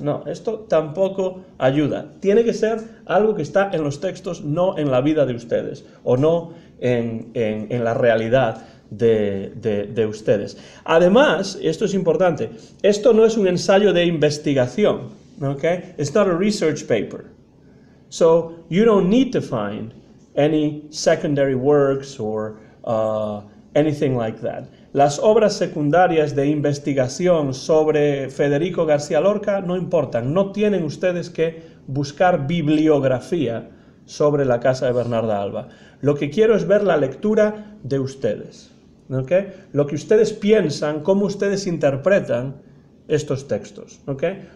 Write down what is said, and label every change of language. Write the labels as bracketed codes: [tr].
[es] No, esto tampoco ayuda. Tiene que ser algo que está en los textos, no en la vida de ustedes o no en la realidad de ustedes. Además, esto es importante, esto no es un ensayo de investigación. [en] Okay, it's not a research paper, so you don't need to find any secondary works or anything like that. [es] Las obras secundarias de investigación sobre Federico García Lorca no importan, no tienen ustedes que buscar bibliografía sobre la casa de Bernarda Alba. Lo que quiero es ver la lectura de ustedes, okay, lo que ustedes piensan, cómo ustedes interpretan estos textos, ¿okay?